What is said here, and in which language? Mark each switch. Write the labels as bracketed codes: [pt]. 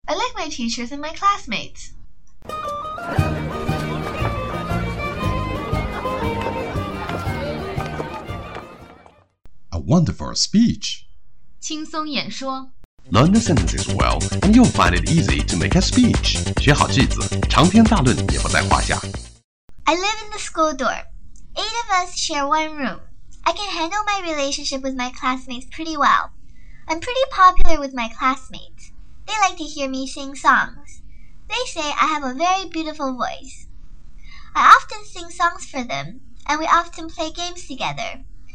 [en] I like my teachers and my classmates. A wonderful speech. [zh] 轻松演说 [en] Learn the sentences well, and you'll find it easy to make a speech. [zh] 学好句子，长篇大论也不在话下。 [en] I live in the school dorm. 8 of us share one room. I can handle my relationship with my classmates pretty well. I'm pretty popular with my classmates. They like to hear me sing songs. They say I have a very beautiful voice. I often sing songs for them, and we often play games together.